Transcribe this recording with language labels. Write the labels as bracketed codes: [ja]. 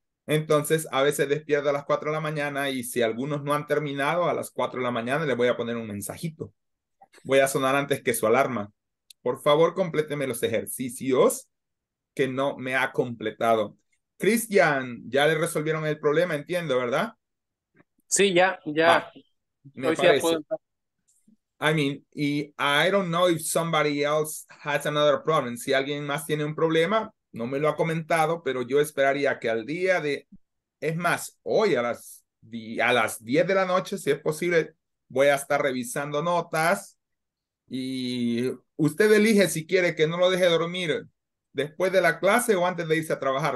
[es] Entonces, a veces despierto a las 4 de la mañana y si algunos no han terminado a las 4 de la mañana, les voy a poner un mensajito. Voy a sonar antes que su alarma. Por favor, complétenme los ejercicios que no me ha completado. Cristian, ya le resolvieron el problema, entiendo, ¿verdad? Sí, ya, ya. Hoy sí puedo. [en] I mean, I don't know if somebody else has another problem. [es] Si alguien más tiene un problema, no me lo ha comentado, pero yo esperaría que al día de... Es más, hoy a las 10 de la noche, si es posible, voy a estar revisando notas. Y usted elige si quiere que no lo deje dormir después de la clase o antes de irse a trabajar.